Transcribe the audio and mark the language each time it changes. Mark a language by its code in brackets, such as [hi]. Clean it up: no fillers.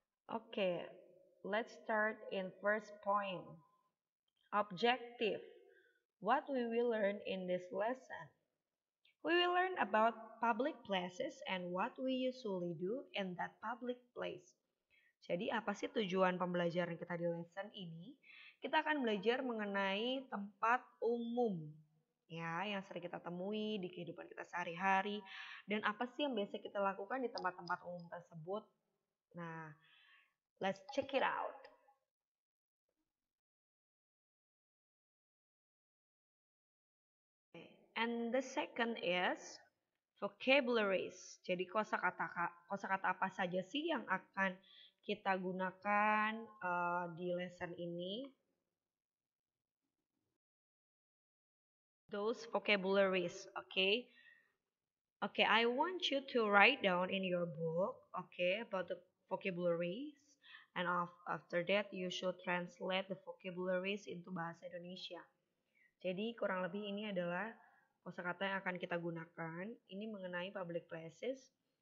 [en] Okay, let's start in first point. Objective. What we will learn in this lesson? We will learn about public places and what we usually do in that public place. [id] Jadi, apa sih tujuan pembelajaran kita di lesson ini? Kita akan belajar mengenai tempat umum, ya, yang sering kita temui di kehidupan kita sehari-hari. Dan apa sih yang biasa kita lakukan di tempat-tempat umum tersebut? [en] Nah, let's check it out. And the second is vocabularies. [id] Jadi kosakata apa saja sih yang akan kita gunakan di lesson ini? [en] Those vocabularies, okay? Okay, I want you to write down in your book, okay, about the vocabularies, and after that you should translate the vocabularies into bahasa Indonesia. [id] Jadi kurang lebih ini adalah kosakata yang akan kita gunakan, ini mengenai public places.